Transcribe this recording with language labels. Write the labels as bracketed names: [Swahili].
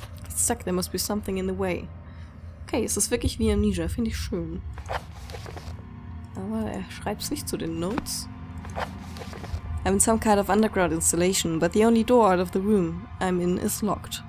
[English] Zack, there must be something in the way. [German] Okay, es ist wirklich wie Amnesia. Finde ich schön. Aber er schreibt es nicht zu den Notes. [English] I'm in some kind of underground installation, but the only door out of the room I'm in is locked.